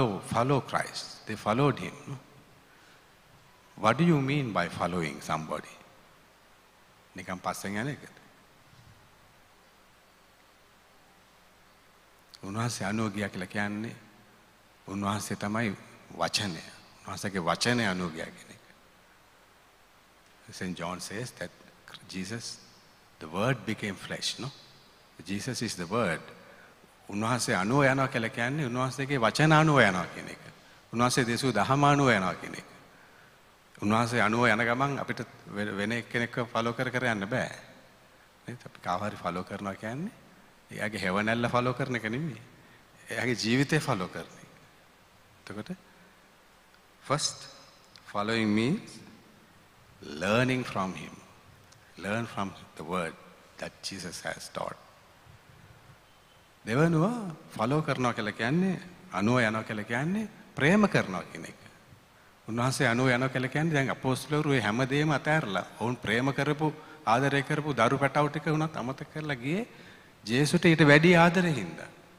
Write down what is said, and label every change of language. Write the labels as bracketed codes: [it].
[en] Follow Christ. They followed him. What do you mean by following somebody? [si] නිකම් පස්සෙන් යන එකද? උන්වහන්සේ අනුව ගියා කියලා කියන්නේ උන්වහන්සේ තමයි වචනය. උන්වහන්සේගේ වචනය අනුව ගියා කියන එක. [en] St. John says that Jesus, the word became flesh, no? Jesus is the word. [si] උන්වහන්සේ අනුව යනවා කියලා කියන්නේ උන්වහන්සේගේ වචන අනුව යනවා කියන එක. උන්වහන්සේ දෙසු දහම අනුව යනවා කියන එක. උන්වහන්සේ අනුව යන ගමන් අපිට වෙන එක්කෙනෙක්ව ෆලෝ කර යන්න බෑ. නේද? අපි කවහරි ෆලෝ කරනවා කියන්නේ එයාගේ හැවනැල්ල ෆලෝ කරන එක නෙමෙයි. එයාගේ ජීවිතය ෆලෝ කරන එක. එතකොට [en] first following means learning from him. Learn from the word that Jesus has taught. [si] දෙවනුව ෆලෝ කරනවා කියලා කියන්නේ අනුව යනවා කියලා කියන්නේ ප්‍රේම කරනවා කියන එක. උන්වහන්සේ අනුව යනවා කියලා කියන්නේ දැන් අපෝස්තුලවරු ඒ හැමදේම අතහැරලා ඔවුන් ප්‍රේම කරපු ආදරය කරපු දරු පැටව ටික උනත් අමතක කරලා ගියේ ජේසුට ඊට වැඩි ආදරේ හින්දා.